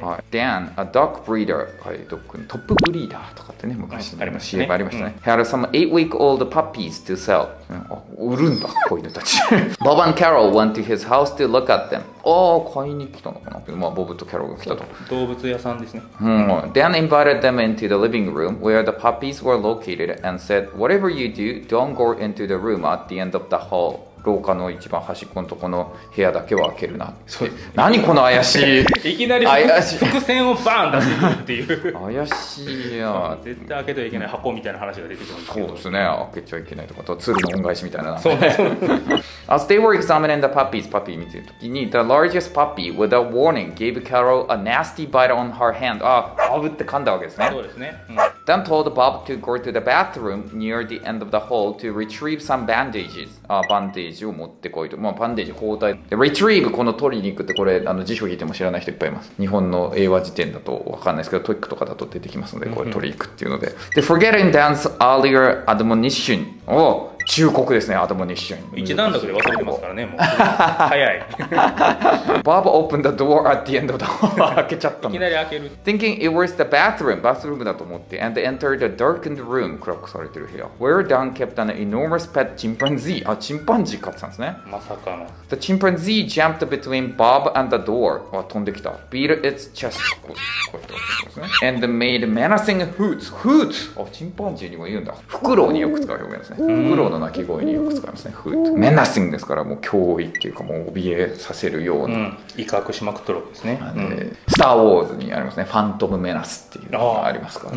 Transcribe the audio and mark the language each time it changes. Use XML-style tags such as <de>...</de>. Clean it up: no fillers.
<ja>はい、</ja> <en>Dan, a dog breeder、</en> <ja>はい、トップブリーダーとかってね、昔の CM ありましたね、ありましたね、うん、</ja> <en>Had some 8-week-old puppies to sell、</en> <ja>売るんだ子犬たち。</ja> <en>Bob and Carol went to his house to look at them。</en> <ja>あ、買いに来たのかな、まあ、ボブとキャロが来たと。動物屋さんですね、</ja> <en>うん、Dan invited them into the living room where the puppies were located and said, whatever you do, don't go into the room at the end of the hall。</en> <ja>廊下の一番端っこのとこの部屋だけは開けるな。そう、何この怪しい。いきなり怪しい伏線をバーン出してるっていう。怪しいや。絶対開けてはいけない箱みたいな話が出てくるんですけど。そうですね、開けちゃいけないとか、あとツールの恩返しみたいな、ね、そうね。</ja> <en>As they were examining the puppies, puppy</en> <ja>見てる時に、</ja> <en>the largest puppy, without warning, gave Carol a nasty bite on her hand.</en> <ja>あ、かぶって噛んだわけですね。そうですね、うん。</ja> <en>Then told Bob to go to the bathroom near the end of the hall to retrieve some bandages.</en> <ja>あ、バンデージを持ってこいと。まあ、バンデージ包帯。Retrieve、この取りに行くって、これ、あの辞書引いても知らない人いっぱいいます。日本の英和辞典だとわかんないですけど、トイックとかだと出てきますので、これ取りに行くっていうので。で、</ja> <en>forgetting Dan's earlier admonition</en> <ja>を、忠告ですね、アドモニッション。一段落で忘れてますからね、もう。早い。</ja> <en>Bob opened the door at the end of the hall.</en> <ja>開けちゃったの。いきなり開ける。</ja> <en>Thinking it was the bathroom,</en> <ja>バスルームだと思って、</ja> <en>and entered a darkened room,</en> <ja>暗くされてる部屋。</ja> <en>Where Dan kept an enormous pet chimpanzee.</en> <ja>あ、チンパンジー飼ってたんですね。まさかの。</ja> <en>The chimpanzee jumped between Bob and the door.</en> <ja>あ、飛んできた。</ja> <en>Beat its chest.</en> <ja>こうやって開けたんですね。</ja> <en>And made menacing hoots. Hoots!</en> <ja>あ、チンパンジーにも言うんだ。フクロウによく使う表現ですね。の鳴き声によく使いますね。フッ、メナシングですから、もう脅威っていうか、もう怯えさせるような、うん、威嚇しまくっとるですね、うん、スターウォーズにありますね、ファントムメナスっていうのがありますから、</ja>